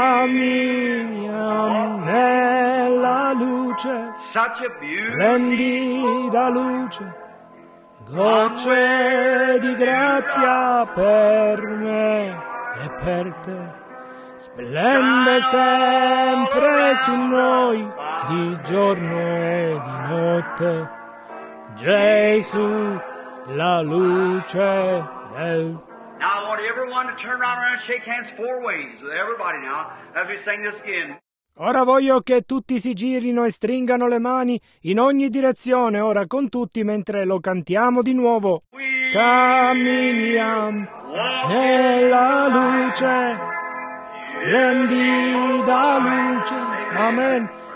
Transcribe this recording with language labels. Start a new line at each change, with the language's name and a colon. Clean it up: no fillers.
Italian: Camminiamo nella luce, splendida luce, gocce di grazia per me e per te. Splende sempre su noi, di giorno e di notte, Gesù, la luce del...
English: Now I want everyone to turn around and shake hands four ways, everybody now, as we sing this again.
Italian: Ora voglio che tutti si girino e stringano le mani in ogni direzione, ora con tutti, mentre lo cantiamo di nuovo. Camminiamo nella luce. Splendida luce, amen.